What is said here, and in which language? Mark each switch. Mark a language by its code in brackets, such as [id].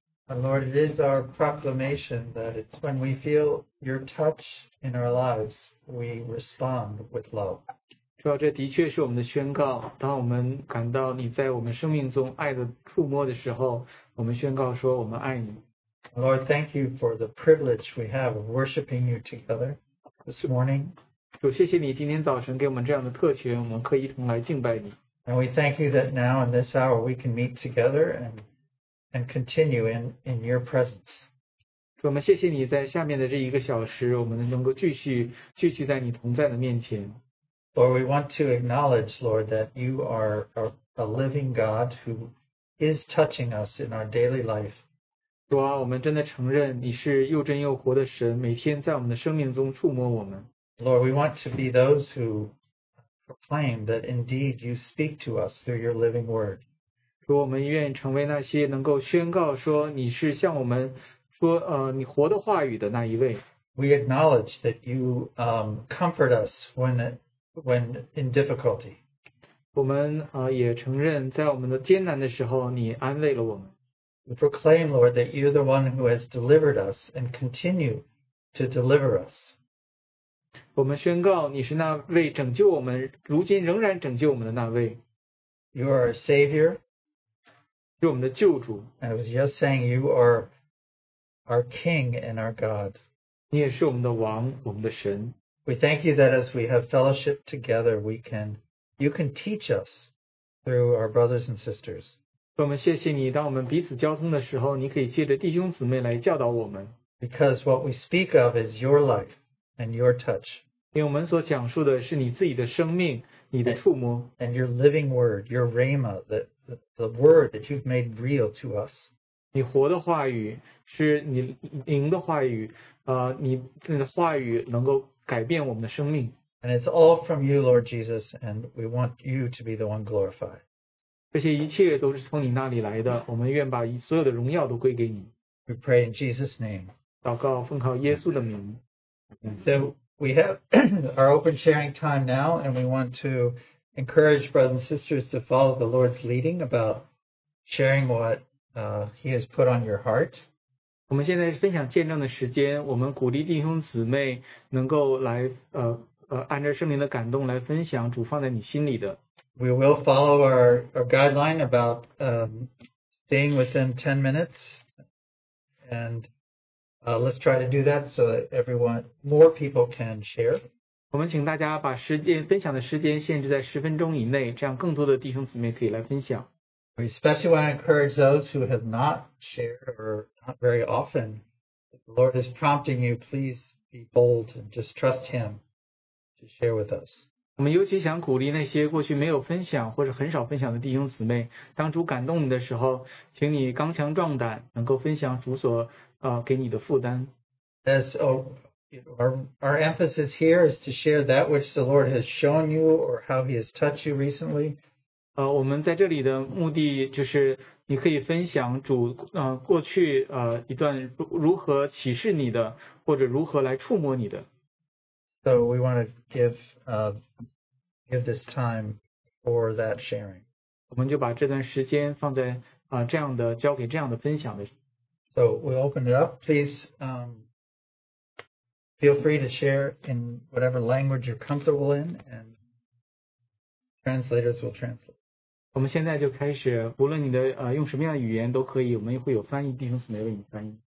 [en] And Lord, it is our proclamation that it's when we feel your touch in our lives, we respond with love. [zh] 主啊，这的确是我们的宣告。当我们感到你在我们生命中爱的触摸的时候，我们宣告说我们爱你。 [en] Lord, thank you for the privilege we have of worshiping you together this morning. [zh] 主，谢谢你今天早晨给我们这样的特权，我们可以一同来敬拜你。 [en] And we thank you that now in this hour we can meet together and continue in your presence. [zh] 主，我们谢谢你在下面的这一个小时，我们能够继续在你同在的面前。 [en] Lord, we want to acknowledge, Lord, that you are a living God who is touching us in our daily life. [zh] 主啊，我们真的承认你是又真又活的神，每天在我们的生命中触摸我们。 [en] Lord, we want to be those who proclaim that indeed you speak to us through your living word. [zh] 主，我们愿意成为那些能够宣告说你是向我们说你活的话语的那一位。 [en] We acknowledge that you comfort us when in difficulty. [zh] 我们也承认在我们的艰难的时候你安慰了我们。 [en] We proclaim, Lord, that you're the one who has delivered us and continue to deliver us. [zh] 我们宣告你是那位拯救我们，如今仍然拯救我们的那位。 [en] You are a savior. [zh] 是我们的救主。 [en] I was just saying you are our king and our God. [zh] 你也是我们的王，我们的神。 [en] We thank you that as we have fellowship together, you can teach us through our brothers and sisters. [zh] 我们谢谢你，当我们彼此交通的时候，你可以借着弟兄姊妹来教导我们。 [en] Because what we speak of is your life and your touch. [zh] 因为我们所讲述的是你自己的生命，你的触摸。 [en] And your living word, your rhema, the word that you've made real to us. [zh] 你活的话语是你灵的话语，你的话语能够改变我们的生命。 [en] And it's all from you, Lord Jesus, and we want you to be the one glorified. [zh] 这些一切都是从你那里来的，我们愿把所有的荣耀都归给你。 [en] We pray in Jesus' name. [zh] 祷告奉靠耶稣的名。 [en] So we have our open sharing time now, and we want to encourage brothers and sisters to follow the Lord's leading about sharing what He has put on your heart. [zh] 我们现在是分享见证的时间，我们鼓励弟兄姊妹能够来按照圣灵的感动来分享主放在你心里的。 [en] We will follow our guideline about staying within 10 minutes. And let's try to do that so that more people can share. [zh] 我们请大家把时间分享的时间限制在10分钟以内，这样更多的弟兄姊妹可以来分享。 [en] We especially want to encourage those who have not shared or not very often. If the Lord is prompting you, please be bold and just trust Him to share with us. [zh] 我们尤其想鼓励那些过去没有分享或者很少分享的弟兄姊妹，当主感动你的时候，请你刚强壮胆，能够分享主所给你的负担。 [en] As our emphasis here is to share that which the Lord has shown you or how He has touched you recently. [zh] 我们在这里的目的就是你可以分享主过去一段如何启示你的，或者如何来触摸你的。 [en] So we want to give this time for that sharing. [zh] 我们就把这段时间放在这样的交给这样的分享的。 [en] So we'll open it up. Please feel free to share in whatever language you're comfortable in, and translators will translate. [zh] 我们现在就开始，无论你的用什么样的语言都可以，我们会有翻译，弟兄姊妹为你翻译。